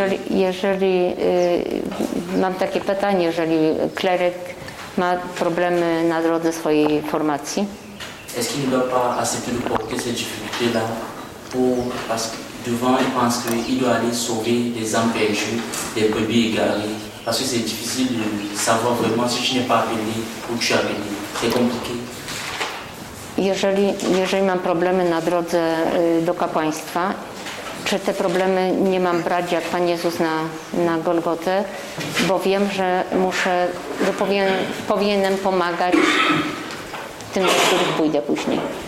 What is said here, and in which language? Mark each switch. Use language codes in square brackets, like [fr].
[pl] Jeżeli mam takie pytanie, jeżeli kleryk ma problemy na drodze swojej formacji. [fr] Est-ce qu'il ne doit pas accepter de porter ces difficultés-là pour parce que devant il pense qu'il doit aller sauver des âmes perdues, des brebis égarées, parce que c'est difficile de savoir vraiment si tu n'es pas appelé ou tu es appelé. Très compliqué. [pl] Jeżeli mam problemy na drodze do kapłaństwa, czy te problemy nie mam brać jak Pan Jezus na Golgotę, bo wiem, że muszę, że powinienem pomagać tym, do których pójdę później.